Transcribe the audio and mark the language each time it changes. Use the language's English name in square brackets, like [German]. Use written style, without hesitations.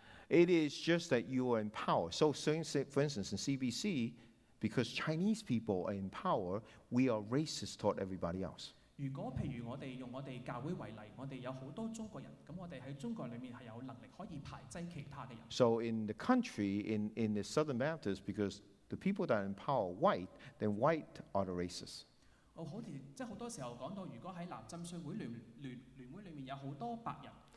[English] It is just that you are in power. So, for instance, in CBC, because Chinese people are in power, we are racist toward everybody else. [Chinese] 如果譬如我們用我們教會為例，我們有很多中國人，那我們在中國裡面是有能力可以排擠其他的人。 [English] So, in the country, in the Southern Baptists, because the people that are in power are white, then white are the racists. [Chinese] 我好像，即很多時候講到，如果在南浸信會聯會裡面有很多白人，